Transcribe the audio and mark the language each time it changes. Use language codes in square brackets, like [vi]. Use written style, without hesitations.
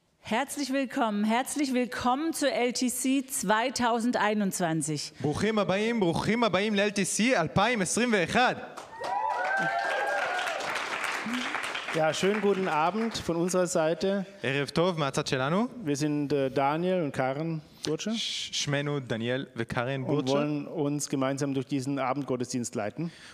[de] Herzlich willkommen zu LTC 2021. [he] ברוכים הבאים ל-LTC 2021. [de] Ja, schönen guten Abend von unserer Seite. [he] Erev tov, mehatzad shelanu. [de] Wir sind Daniel und Karen Burcher. [he] Shmenu Daniel und Karen [de] Burcher. Und wollen uns gemeinsam durch diesen Abendgottesdienst leiten.